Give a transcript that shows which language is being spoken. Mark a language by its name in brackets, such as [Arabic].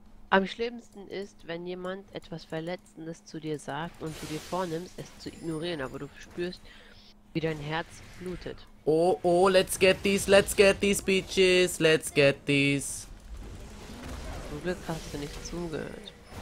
[German] Am schlimmsten ist, wenn jemand etwas Verletzendes zu dir sagt und du dir vornimmst, es zu ignorieren, aber du spürst, wie dein Herz blutet. [English] Oh, oh, let's get these, bitches, let's get these. [German] Zum Glück hast du nicht zugehört.